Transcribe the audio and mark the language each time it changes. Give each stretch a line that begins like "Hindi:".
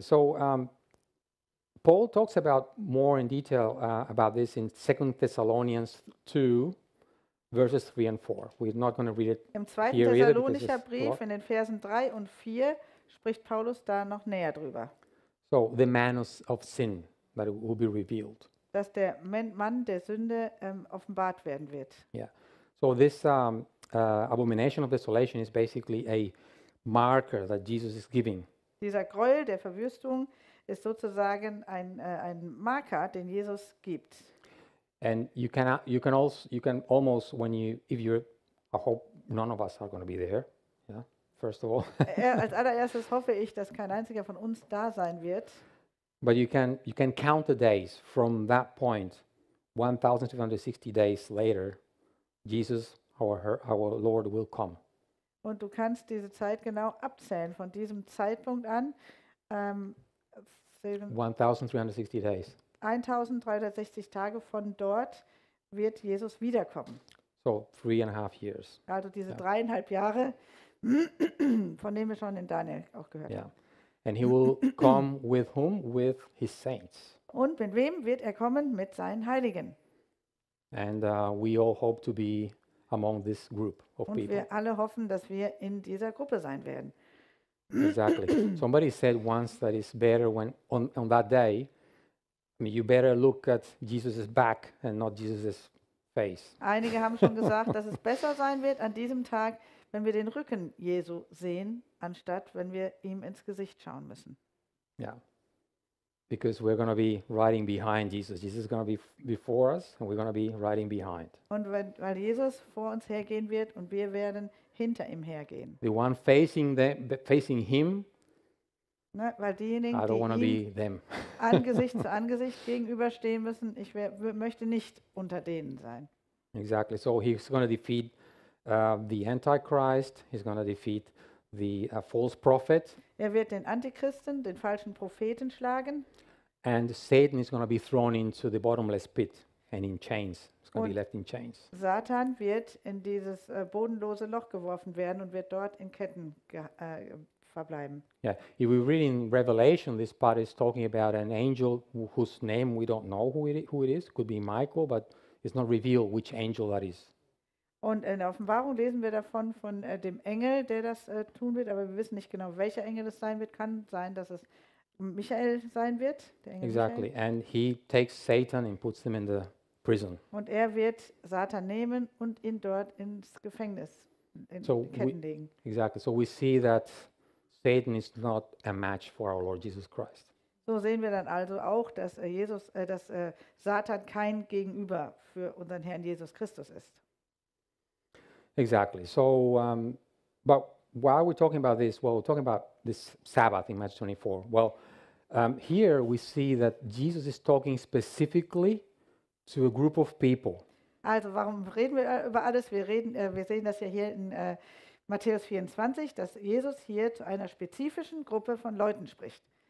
English: So Paul talks about more in detail about this in 2 Thessalonians 2. Verses 3 and 4. We're not going to read it.
German: Im zweiten Thessalonicher Brief in den Versen 3 und 4 spricht Paulus da noch näher drüber.
English: So the man of sin that will be revealed.
German: Dass der Mann der Sünde offenbart werden wird.
English: Yeah. So this abomination of desolation is basically a marker that Jesus is giving.
German: Dieser Gräuel der Verwüstung ist sozusagen ein Marker, den Jesus gibt.
English: And you can almost when you if you I hope none of us are going to be there, yeah, first of all.
German: Als allererstes hoffe ich, dass kein einziger von uns da sein wird.
English: But you can count the days from that point, 1260 days later, Jesus our Lord will come.
German: Und du kannst diese Zeit genau abzählen von diesem Zeitpunkt an.
English: 1360 days.
German: 1360 Tage von dort wird Jesus wiederkommen.
English: So 3.5 years.
German: Also diese 3.5 Jahre, von denen wir schon in Daniel auch gehört haben.
English: And he will come with whom? With his saints.
German: Und mit wem wird er kommen? Mit seinen Heiligen.
English: And we all hope to be among this group of
German: Und
English: people.
German: Und wir alle hoffen, dass wir in dieser Gruppe sein werden.
English: Exactly. Somebody said once that it's better when on that day. I mean, you better look at Jesus' back and not Jesus' face.
German: Einige haben schon gesagt, dass es besser sein wird an diesem Tag, wenn wir den Rücken Jesu sehen, anstatt wenn wir ihm ins Gesicht schauen müssen.
English: Yeah. Because we're going to be riding behind Jesus. Jesus is going to be before us and we're going to be riding behind.
German: Und weil Jesus vor uns hergehen wird und wir werden hinter ihm hergehen.
English: The one facing him.
German: Ne, weil diejenigen, die ihm Angesicht zu Angesicht gegenüberstehen müssen, ich möchte nicht unter denen sein.
English: Exactly. So he's going to defeat the Antichrist. He's going to defeat the false prophet.
German: Er wird den Antichristen, den falschen Propheten schlagen.
English: And Satan is going to be thrown into the bottomless pit and in chains. He's going to be left in chains.
German: Satan wird in dieses bodenlose Loch geworfen werden und wird dort in Ketten verbleiben.
English: Yeah, if we read in Revelation, this part is talking about an angel whose name we don't know who it is. Could be Michael, but it's not revealed which angel that is.
German: Und in der Offenbarung lesen wir davon von dem Engel, der das tun wird, aber wir wissen nicht genau, welcher Engel es sein wird. Kann sein, dass es Michael sein wird, der Engel.
English: Exactly, Michael. And he takes Satan and puts him in the prison.
German: Und er wird Satan nehmen und ihn dort ins Gefängnis legen.
English: Exactly, so we see that. Satan is not a match for our Lord Jesus Christ.
German: So sehen wir dann also auch, dass Satan kein Gegenüber für unseren Herrn Jesus Christus ist.
English: Exactly. So but why are we talking about this? Well, we're talking about this Sabbath in Matthew 24. Well, here we see that Jesus is talking specifically to a group of people.
German: Also, warum reden wir über alles? Wir sehen das ja hier in Matthäus 24, dass Jesus hier zu einer spezifischen Gruppe von Leuten spricht.